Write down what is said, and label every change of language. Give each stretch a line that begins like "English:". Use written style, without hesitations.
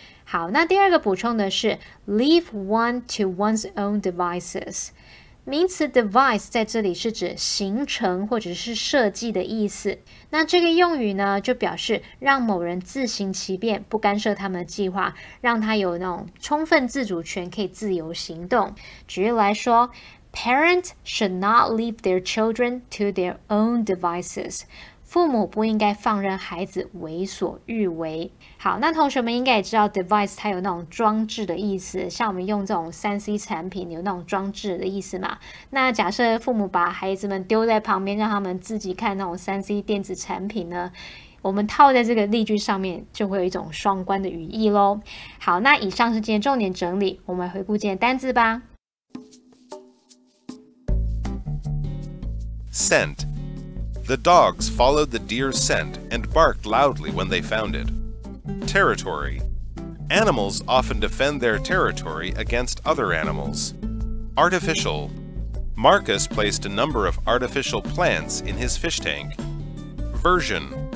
Chinese: 好，那第二个补充的是
English: leave one to one's own devices，
Chinese: 名词 device 在这里是指形成或者是设计的意思。那这个用语呢，就表示让某人自行其便，不干涉他们的计划，让他有那种充分自主权，可以自由行动。举例来说，
English: Parents should not leave their children to their own devices.
Chinese: 父母不应该放任孩子为所欲为。好，那同学们应该也知道 device 它有那种装置的意思，像我们用这种 3C 产品有那种装置的意思嘛。那假设父母把孩子们丢在旁边，让他们自己看那种 3C 电子产品呢，我们套在这个例句上面，就会有一种双关的语义咯。好，那以上是今天重点整理，我们来回顾今天单字吧。
English: Scent. The dogs followed the deer's scent and barked loudly when they found it. Territory. Animals often defend their territory against other animals. Artificial. Marcus placed a number of artificial plants in his fish tank. Version.